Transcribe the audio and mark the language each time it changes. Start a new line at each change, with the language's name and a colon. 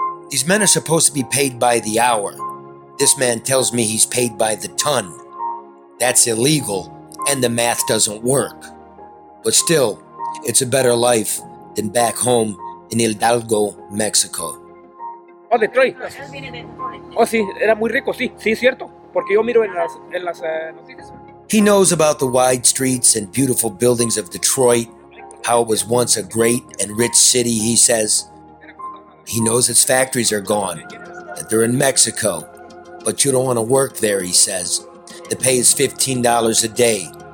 English: These men are supposed to be paid by the hour. This man tells me he's paid by the ton. That's illegal, and the math doesn't work. But still, it's a better life than back home in Hidalgo, Mexico. Oh, Detroit.
Spanish: Oh, sí, era muy rico, sí, sí, cierto. Porque yo miro en las noticias.
English: He knows about the wide streets and beautiful buildings of Detroit, how it was once a great and rich city, he says. He knows its factories are gone, that they're in Mexico. But you don't want to work there, he says. The pay is $15 a day.